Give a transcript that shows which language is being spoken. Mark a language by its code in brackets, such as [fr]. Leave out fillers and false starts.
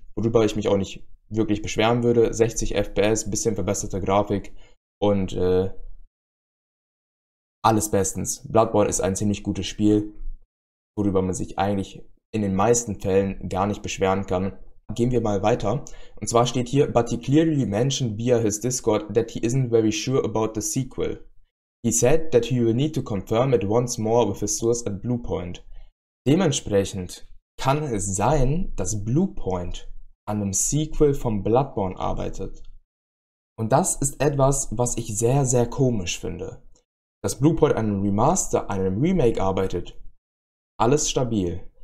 [de] Worüber ich mich auch nicht wirklich beschweren würde. 60 FPS, bisschen verbesserte Grafik und alles bestens. Bloodborne ist ein ziemlich gutes Spiel, worüber man sich eigentlich in den meisten Fällen gar nicht beschweren kann. Gehen wir mal weiter. Und zwar steht hier: [en] But he clearly mentioned via his Discord that he isn't very sure about the sequel. He said that he will need to confirm it once more with his source at Bluepoint. [de] Dementsprechend kann es sein, dass Bluepoint an einem Sequel von Bloodborne arbeitet. Und das ist etwas, was ich sehr, sehr komisch finde. Dass Bluepoint an einem Remaster, an einem Remake arbeitet, alles stabil.